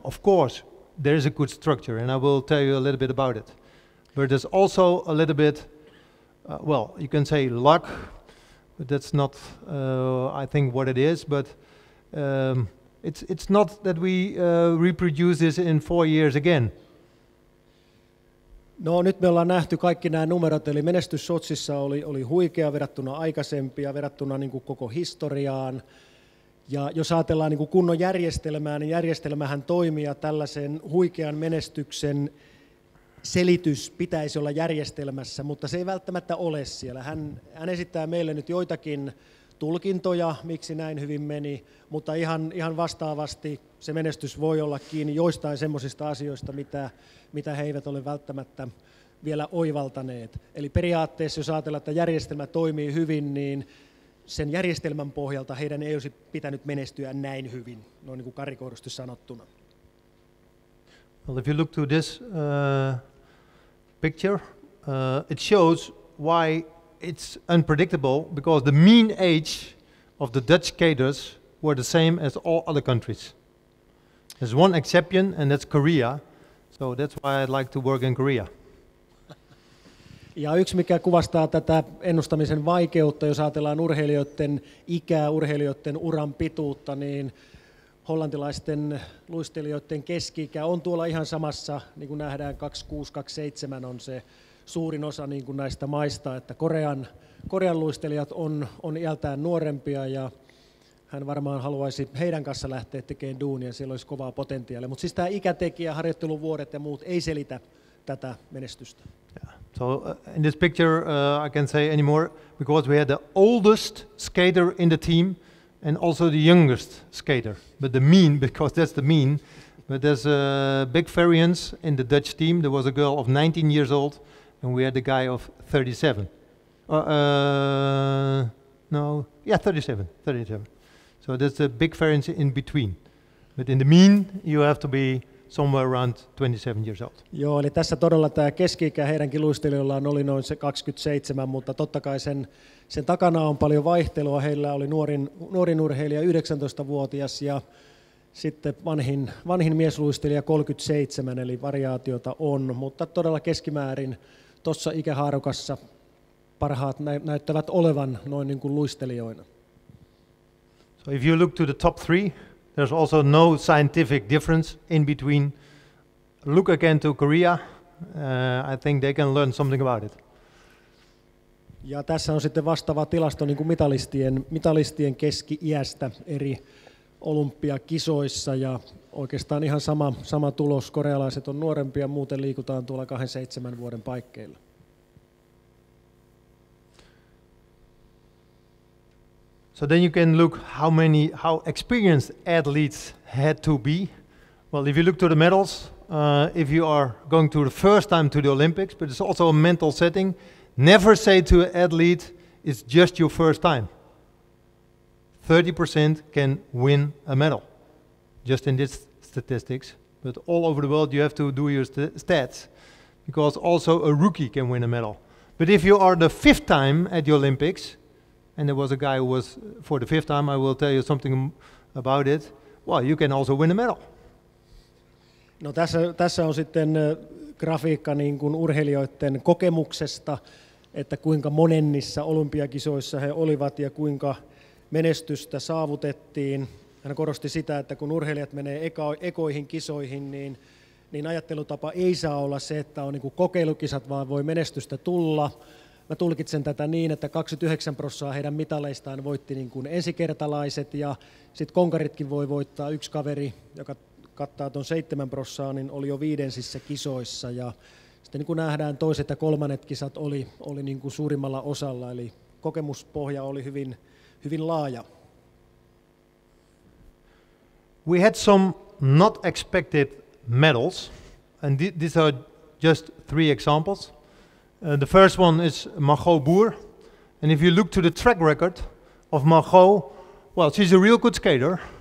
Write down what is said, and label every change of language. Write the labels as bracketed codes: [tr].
[en] Of course, there is a good structure, and I will tell you a little bit about it. But there's also a little bit, well, you can say luck, but that's not, I think, what it is. But it's not that we reproduce this in 4 years again. [fi] No, nyt me ollaan nähty kaikki nämä numerot, eli menestys Sotsissa oli huikea verrattuna aikaisempia, verrattuna niin kuin koko historiaan. Ja jos ajatellaan niin kuin kunnon järjestelmää, niin järjestelmähän toimii, ja tällaisen huikean menestyksen selitys pitäisi olla järjestelmässä, mutta se ei välttämättä ole siellä. Hän esittää meille nyt joitakin tulkintoja, miksi näin hyvin meni, mutta ihan vastaavasti se menestys voi olla kiinni joistain semmoisista asioista, mitä he eivät ole välttämättä vielä oivaltaneet. Eli periaatteessa, jos ajatellaan, että järjestelmä toimii hyvin, niin sen järjestelmän pohjalta heidän ei olisi pitänyt menestyä näin hyvin, noin niin kuin karikoidusti sanottuna. [en] Well, if you look to this picture, it shows why it's unpredictable, because the mean age of the Dutch skaters were the same as all other countries. There's one exception, and that's Korea. So that's why I'd like to work in Korea. [fi] Ja yksi, mikä kuvastaa tätä ennustamisen vaikeutta, jos ajatellaan urheilijoiden ikää, urheilijoiden uran pituutta, niin hollantilaisten luistelijoiden keski-ikä on tuolla ihan samassa, niin kuin nähdään, 26-27 on se suurin osa niin kuin näistä maista, että Korean luistelijat on iältään nuorempia, ja hän varmaan haluaisi heidän kanssa lähteä tekemään duunia, siellä olisi kovaa potentiaalia. Mutta siis tämä ikätekijä, harjoitteluvuodet ja muut ei selitä tätä menestystä. [en] Yeah. So in this picture, I can't say anymore because we had the oldest skater in the team and also the youngest skater. But the mean, because that's the mean, but there's a big variance in the Dutch team. There was a girl of 19 years old and we had a guy of 37. 37. So there's a big variance in between. But in the mean, you have to be somewhere around 27 years old. [fi] Joo, eli tässä todella tämä keski-ikä heidän kiluistelijoillaan oli noin se 27, mutta totta kai sen takana on paljon vaihtelua. Heillä oli nuorin urheilija 19-vuotias ja sitten vanhin miesluistelija 37, eli variaatiota on, mutta todella keskimäärin tuossa ikähaarukassa parhaat näyttävät olevan noin niin kuin luistelijoina. [en] So if you look to the top three, there's also no scientific difference in between. Look again to Korea. I think they can learn something about it. [fi] Ja tässä on sitten vastaava tilasto niin kuin mitalistien keski-iästä eri olympiakisoissa ja oikeastaan ihan sama tulos. Korealaiset on nuorempia, muuten liikutaan tuolla 27 vuoden paikkeilla. [en] So then you can look how experienced athletes had to be. Well, if you look to the medals, if you are going to the first time to the Olympics, but it's also a mental setting, never say to an athlete, it's just your first time. 30% can win a medal, just in this statistics. But all over the world, you have to do your stats, because also a rookie can win a medal. But if you are the fifth time at the Olympics, and there was a guy who was, for the fifth time, I will tell you something about it. Well, you can also win a medal. [fi] No tässä on sitten grafiikka niin kuin urheilijoiden kokemuksesta, että kuinka monennissa olympiakisoissa he olivat ja kuinka menestystä saavutettiin. Hän korosti sitä, että kun urheilijat menee ekoihin kisoihin, niin ajattelutapa ei saa olla se, että on niin kuin kokeilukisat, vaan voi menestystä tulla. Mä tulkitsen tätä niin, että 29% heidän mitaleistaan voitti niin kuin ensikertalaiset ja sitten konkaritkin voi voittaa. Yksi kaveri, joka kattaa tuon 7%, niin oli jo viidensissä kisoissa. Ja sitten niin kuin nähdään, toiset ja kolmannet kisat oli niin kuin suurimmalla osalla, eli kokemuspohja oli hyvin, hyvin laaja. [en] We had some not expected medals, and these are just three examples. The first one is Margot Boer, and if you look to the track record of Margot, well, she's a real good skater.